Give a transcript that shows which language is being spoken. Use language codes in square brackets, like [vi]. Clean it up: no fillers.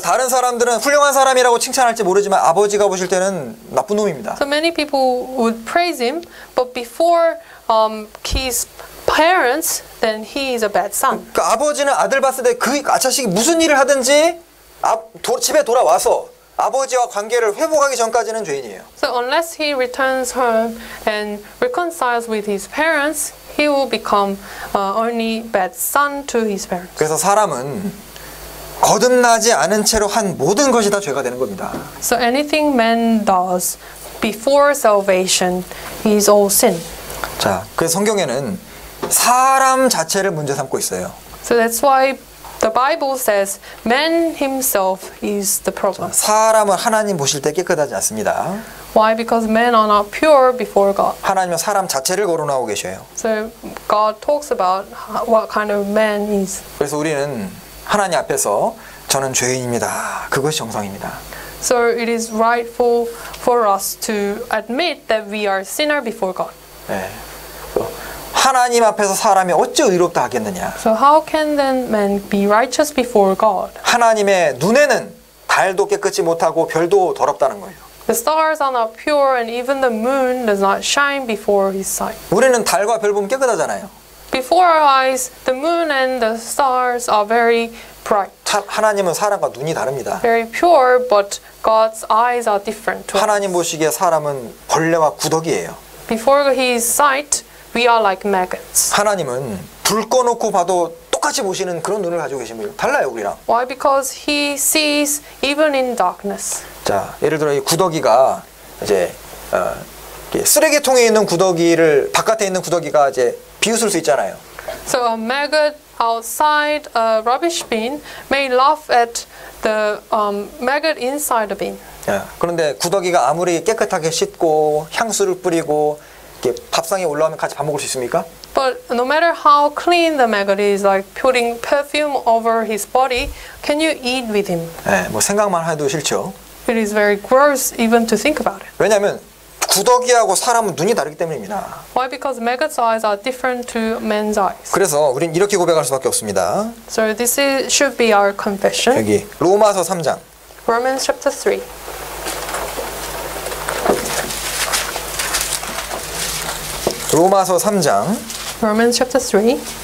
[ko] 다른 사람들은 훌륭한 사람이라고 칭찬할지 모르지만 아버지가 보실 때는 나쁜 놈입니다. [en] So many people would praise him, but before his parents, then he is a bad son. [ko] 그 아버지는 아들 봤을 때 그 자식이 무슨 일을 하든지 집에 돌아와서 아버지와 관계를 회복하기 전까지는 죄인이에요. [en] So unless he returns home and reconciles with his parents, he will become only bad son to his parents. [ko] 그래서 사람은 거듭나지 않은 채로 한 모든 것이 다 죄가 되는 겁니다. [en] So anything man does before salvation is all sin. [ko] 자, 그래서 성경에는 사람 자체를 문제 삼고 있어요. [en] So that's why the Bible says man himself is the problem. [ko] 사람은 하나님 보실 때 깨끗하지 않습니다. [en] Why? Because men are not pure before God. [ko] 하나님은 사람 자체를 거론하고 계셔요. [en] So God talks about what kind of man is. [ko] 그래서 우리는 하나님 앞에서 저는 죄인입니다. 그것이 정상입니다. [en] So it is rightful for us to admit that we are sinner before God. [ko] 네. 하나님 앞에서 사람이 어찌 의롭다 하겠느냐? [en] So how can then man be righteous before God? [ko] 하나님의 눈에는 달도 깨끗이 못하고 별도 더럽다는 거예요. [en] The stars are not pure, and even the moon does not shine before His sight. [ko] 우리는 달과 별 보면 깨끗하잖아요. [en] Before our eyes, the moon and the stars are very bright. [ko] 하나님은 사람과 눈이 다릅니다. [en] Very pure, but God's eyes are different. [ko] 하나님 보시기에 사람은 벌레와 구더기예요. [en] Before His sight, we are like maggots. [ko] 하나님은 불 꺼놓고 봐도 똑같이 보시는 그런 눈을 가지고 계신 분이 달라요 우리랑. [en] Why? Because He sees even in darkness. [ko] 자, 예를 들어 이 구더기가 이제 쓰레기통에 있는 구더기를 바깥에 있는 구더기가 이제 비웃을 수 있잖아요. [en] So a maggot outside a rubbish bin may laugh at the maggot inside the bin. [ko] 예, 그런데 구더기가 아무리 깨끗하게 씻고 향수를 뿌리고 이렇게 밥상에 올라오면 같이 밥 먹을 수 있습니까? [en] But no matter how clean the maggot is, like putting perfume over his body, can you eat with him? [ko] 예, 뭐 생각만 해도 싫죠. [en] It is very gross even to think about it. [ko] 왜냐하면 구더기하고 사람은 눈이 다르기 때문입니다. [en] Why? Because maggots' eyes are different to men's eyes. [ko] 그래서 우린 이렇게 고백할 수밖에 없습니다. [en] So this is, should be our confession. [ko] 여기 로마서 3장. [en] Romans chapter 3. [ko] 로마서 3장 [en] Romans chapter 3